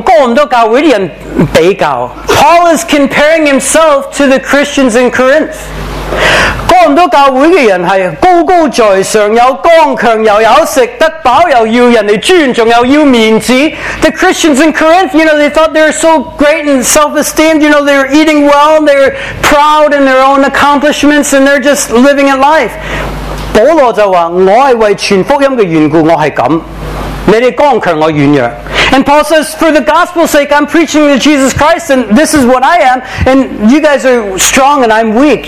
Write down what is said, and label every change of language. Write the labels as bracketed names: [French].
[Chinese] 保罗将自己同哥林多教会的人比较。 [English] Paul is comparing himself to the Christians in Corinth. [Chinese] 哥林多教会的人是高高在上，又刚强，又有食得饱，又要人尊重，又要面子。 [English] The Christians in Corinth, you know, they thought they were so great and self-esteemed. You know, they were eating well, they were proud in their own accomplishments, and they're just living a life. [Chinese] 保罗就说，我是为传福音的缘故，我是这样。你们刚强，我软弱。 [English] And Paul says, for the gospel's sake, I'm preaching to Jesus Christ, and this is what I am, and you guys are strong and I'm weak.